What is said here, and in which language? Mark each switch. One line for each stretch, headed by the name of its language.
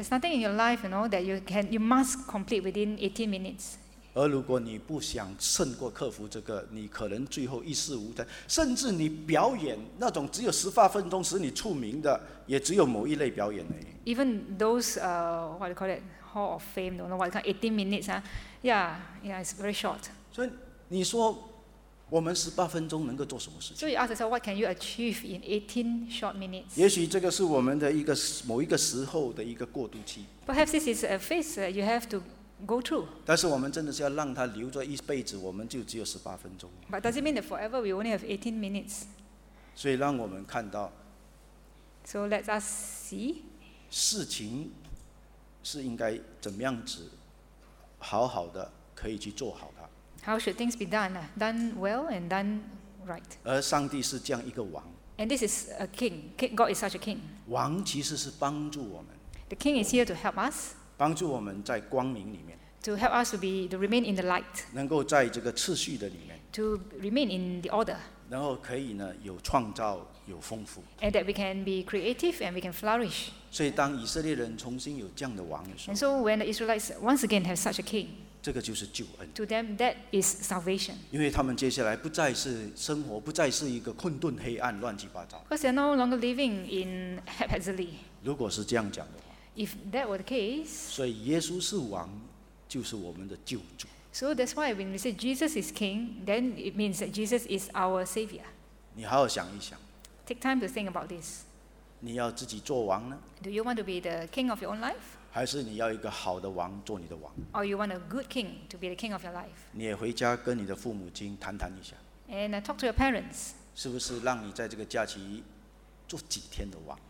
English: There's nothing in your life, you know, that you must complete within 18 minutes.
Chinese: 而如果你不想胜过克服这个，你可能最后一事无成。甚至你表演那种只有十八分钟使你出名的，也只有某一类表演而已。
English: Even those what do you call it? Hall of Fame, don't know what kind. 18 minutes, yeah, it's very short. So,
Chinese: 你说我们十八分钟能够做什么事情
English: ？So you ask yourself, what can you achieve in 18 short minutes?
Chinese: 也许这个是我们的一个某一个时候的一个过渡期。
English: Perhaps this is a phase you have to go through.
Chinese: 但是我们真的是要让它留着一辈子，我们就只有十八分钟。
English: But does it mean that forever we only have 18 minutes?
Chinese: 所以让我们看到。
English: So let us see.
Chinese: 事情。是应该怎么样子好好的可以去做好它
English: How should things be done? Done well and done right.
Chinese: 而上帝是这样一个王
English: And this is a king. God is such a king.
Chinese: 王其实是帮助我们
English: The king is here to help us.
Chinese: 帮助我们在光明里面
English: To help us to remain in the light.
Chinese: 能够在这个秩序的里面
English: To remain in the order.
Chinese: 然后可以呢有创造有丰富
English: And that we can be creative and we can flourish.
Chinese: 所以当以色列人重新有这样的王的时候
English: And so when the Israelites once again have such a king,
Chinese: 这个就是救恩
English: To them, that is salvation.
Chinese: 因为他们接下来不再是生活，不再是一个困顿、黑暗、乱七八糟
English: Because they are no longer living in haphazardly.
Chinese: 如果是这样讲的话
English: If that were the case,
Chinese: 所以耶稣是王，就是我们的救主
English: So that's why when we say Jesus is king, then it means that Jesus is our savior.
Chinese: 你好好想一想
English: Take time to think about this.
Chinese: 你要自己做王呢
English: ？Do you want to be the king of your own life？
Chinese: 还是你要一个好的王做你的王
English: ？Or you want a good king to be the king of your life？
Chinese: 你也回家跟你的父母亲谈谈一下。
English: And talk to your parents。
Chinese: 是不是让你在这个假期做几天的王